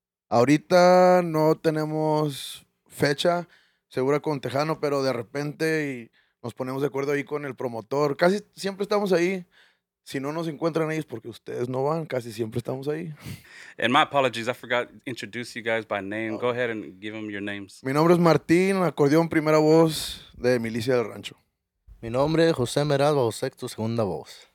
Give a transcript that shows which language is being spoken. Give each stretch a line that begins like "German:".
Spanish: Ahorita no tenemos fecha segura con Tejano, pero de repente y nos ponemos de acuerdo ahí con el promotor. Casi siempre estamos ahí. Si no nos encuentran ellos porque ustedes no van, casi siempre estamos ahí.
English: And my apologies, I forgot to introduce you guys by name. Go ahead and give them your names.
Spanish: Mi nombre es Martín, acordeón primera voz de Milicia del Rancho. Mi nombre es José Merado, sexto segunda voz.